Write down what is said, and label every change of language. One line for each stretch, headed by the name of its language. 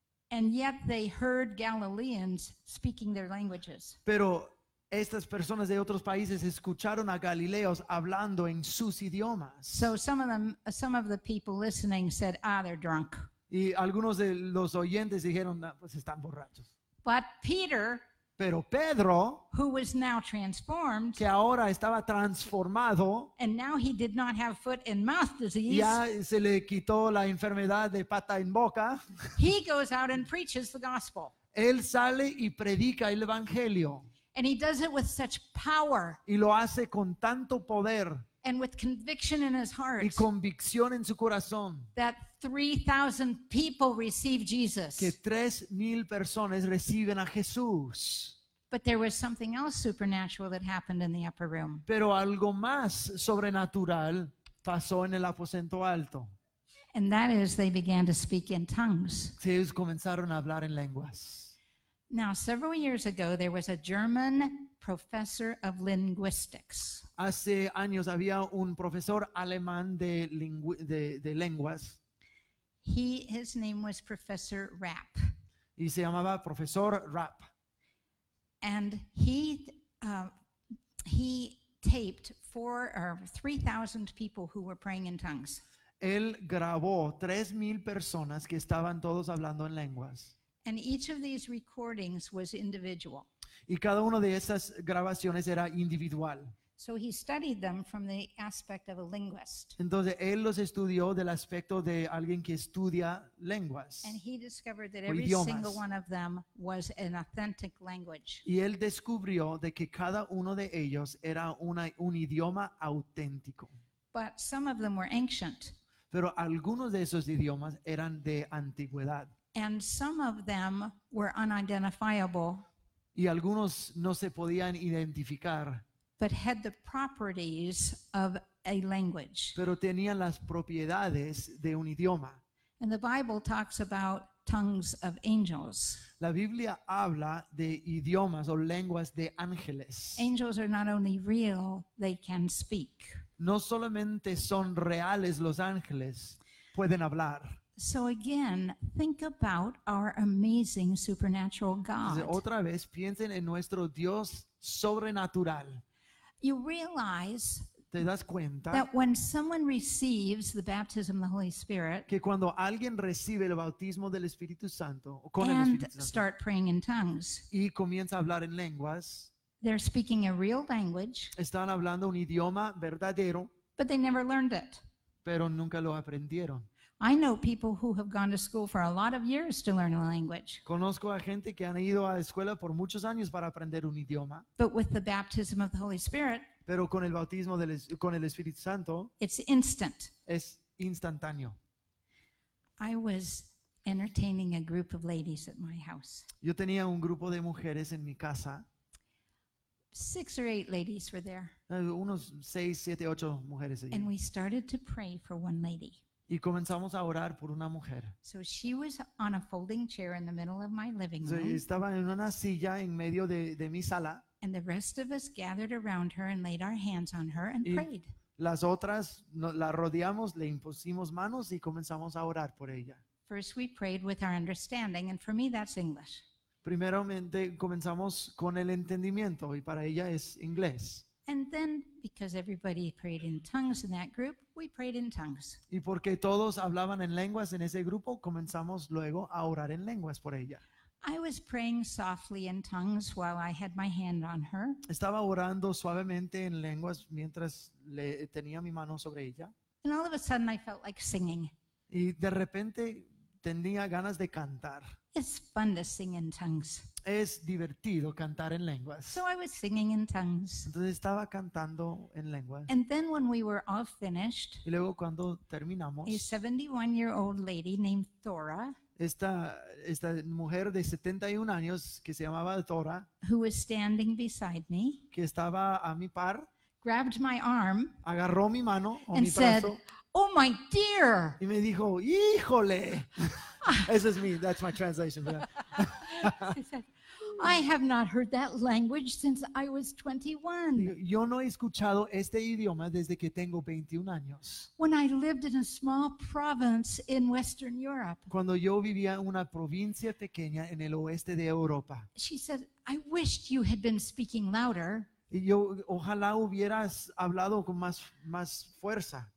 English: And yet they heard Galileans speaking their languages.
Spanish: Pero estas personas de otros países escucharon a galileos hablando en sus idiomas.
English: So some of the people listening said, ah, they're drunk.
Spanish: Y algunos de los oyentes dijeron, ah, pues están borrachos.
English: But Peter,
Spanish: pero Pedro,
English: who was now transformed,
Spanish: que ahora estaba transformado,
English: and now he did not have foot and mouth disease,
Spanish: ya se le quitó la enfermedad de pata en boca,
English: he goes out and preaches the gospel.
Spanish: Él sale y predica el evangelio.
English: And he does it with such power.
Spanish: Y lo hace con tanto poder.
English: And with conviction in his heart.
Spanish: Y convicción en su corazón.
English: That 3,000 people receive Jesus.
Spanish: Que 3,000 personas reciben a Jesús.
English: But there was something else supernatural that happened in the upper room.
Spanish: Pero algo más sobrenatural pasó en el aposento alto.
English: And that is they began to speak in tongues.
Spanish: Sí, ellos comenzaron a hablar en lenguas.
English: Now, several years ago, there was a German professor of linguistics.
Spanish: Hace años había un profesor alemán de lenguas.
English: His name was Professor Rapp.
Spanish: Y se llamaba Profesor Rapp.
English: And he taped 3,000 people who were praying in tongues.
Spanish: Él grabó 3,000 personas que estaban todos hablando en lenguas.
English: And each of these recordings was individual.
Spanish: Y cada una de esas grabaciones era individual.
English: So he studied them from the aspect of a linguist.
Spanish: Entonces él los estudió del aspecto de alguien que estudia lenguas.
English: And he discovered that every
Spanish: idiomas.
English: Single one of them was an authentic language.
Spanish: Y él descubrió de que cada uno de ellos era un idioma auténtico.
English: But some of them were ancient.
Spanish: Pero algunos de esos idiomas eran de antigüedad.
English: And some of them were unidentifiable.
Spanish: Y algunos no se podían identificar.
English: But had the properties of a language.
Spanish: Pero tenían las propiedades de un idioma.
English: And the Bible talks about tongues of angels.
Spanish: La Biblia habla de idiomas o lenguas de ángeles.
English: Angels are not only real, they can speak.
Spanish: No solamente son reales los ángeles, pueden hablar.
English: So again, think about our amazing supernatural God.
Spanish: Otra vez, piensen en nuestro Dios sobrenatural.
English: You realize,
Spanish: ¿te das cuenta?
English: That when someone receives the baptism of the Holy Spirit,
Spanish: que cuando alguien recibe el bautismo del Espíritu Santo, o con
English: and
Spanish: el Espíritu Santo,
English: start praying in tongues,
Spanish: y comienza a hablar en lenguas,
English: they're speaking a real language,
Spanish: están hablando un idioma verdadero,
English: but they never learned it.
Spanish: Pero nunca lo aprendieron.
English: I know people who have gone to school for a lot of years to learn a language.
Spanish: Conozco a gente que han ido a escuela por muchos años para aprender un idioma.
English: But with the baptism of the Holy Spirit,
Spanish: pero con el bautismo del con el Espíritu Santo,
English: it's instant.
Spanish: Es instantáneo.
English: I was entertaining a group of ladies at my house.
Spanish: Yo tenía un grupo de mujeres en mi casa.
English: Six or eight ladies were there.
Spanish: Unos seis, siete, ocho mujeres allí.
English: And we started to pray for one lady.
Spanish: Y comenzamos a orar por una mujer.
English: So she was on a folding chair in the middle of my living room.
Spanish: Estaba en una silla en medio de mi sala.
English: And the rest of us gathered around her and laid our hands on her and
Spanish: y
English: prayed.
Spanish: Las otras no, la rodeamos, le impusimos manos y comenzamos a orar por ella.
English: First we prayed with our understanding, and for me that's English.
Spanish: Primeramente comenzamos con el entendimiento y para ella es inglés.
English: And then, because everybody prayed in tongues in that group, we prayed in tongues.
Spanish: Y porque todos hablaban en lenguas en ese grupo, comenzamos luego a orar en lenguas por ella.
English: I was praying softly in tongues while I had my hand on her.
Spanish: Estaba orando suavemente en lenguas mientras le tenía mi mano sobre ella.
English: And all of a sudden I felt like singing.
Spanish: Y de repente tenía ganas de cantar.
English: It's fun to sing in tongues.
Spanish: Es divertido cantar en lenguas.
English: So I was singing in tongues.
Spanish: Entonces estaba cantando en lenguas.
English: And then when we were all finished,
Spanish: y luego cuando terminamos,
English: a 71-year-old lady named Thora,
Spanish: esta mujer de 71 años que se llamaba Thora,
English: who was standing beside me,
Spanish: que estaba a mi par,
English: grabbed my arm,
Spanish: agarró mi mano o
English: and
Spanish: mi
English: said,
Spanish: brazo,
English: "Oh my dear!"
Spanish: Y me dijo, "Híjole!"
English: This is me. That's my translation. She said, "I have not heard that language since I was 21.
Spanish: Yo no he escuchado este idioma desde que tengo 21 años.
English: When I lived in a small province in Western Europe.
Spanish: Cuando yo vivía en una provincia pequeña en el oeste de Europa.
English: She said, "I wished you had been speaking louder."
Spanish: Y yo ojalá hubieras hablado con más fuerza.